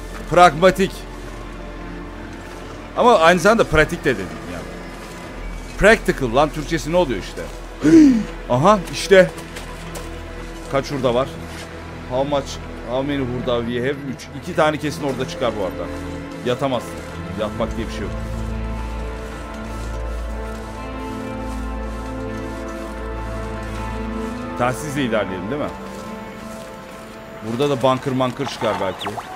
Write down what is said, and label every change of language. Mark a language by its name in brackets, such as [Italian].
[Turkish] Pragmatik. Ama aynı zamanda pratik de dedim yani. [English] Practical [Turkish] lan Türkçesi ne oluyor işte? Aha işte. Kaç hurda var? [English] How much, how many hurda we have? [Turkish] 3. 2 tane kesin orada çıkar bu arada. Yatamaz. Yatmak diye bir şey yok. Telsizle ilerleyelim değil mi? Burada da bunker mankır çıkar belki.